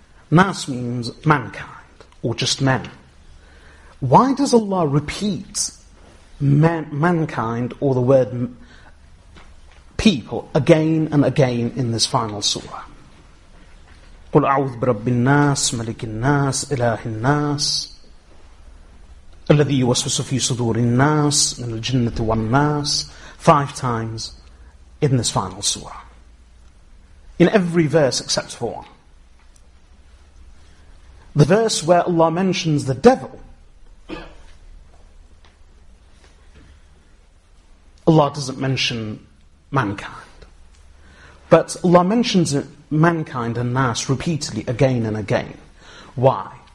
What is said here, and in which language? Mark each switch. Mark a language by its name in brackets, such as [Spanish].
[English] Nas means mankind, or just men. Why does Allah repeat mankind, or the word people, again and again in this final surah? [Arabic] قُلْ أَعُوذُ بِرَبِّ النَّاسِ مَلِكِ النَّاسِ إِلَهِ النَّاسِ الَّذِي يُوَسْوِسُ فِي صُدُورِ النَّاسِ مِنَ الْجِنَّةِ وَالنَّاسِ, [English] five times in this final surah. in every verse except for one. The verse where Allah mentions the devil, Allah doesn't mention mankind. But Allah mentions mankind and nas repeatedly, again and again. Why?